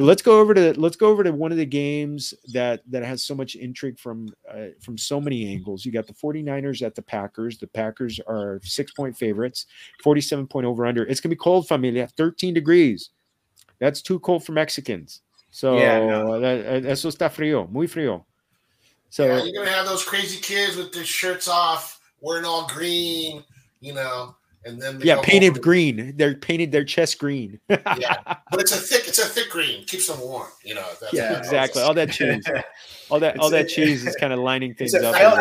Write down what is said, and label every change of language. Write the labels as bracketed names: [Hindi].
[English] Let's go over to one of the games that has so much intrigue from so many angles. You got the 49ers at the Packers. The Packers are 6-point favorites, 47-point over under. It's gonna be cold, familia. 13 degrees. That's too cold for Mexicans. So yeah, no. [Spanish] Eso está frío, muy frío. [English] So yeah, you're gonna have those crazy kids with their shirts off, wearing all green. You know, and then they painted green. They're painted their chest green. Yeah, but it's a thick green. Keeps them warm. You know. That's exactly. All that cheese, all that cheese is kind of lining things up.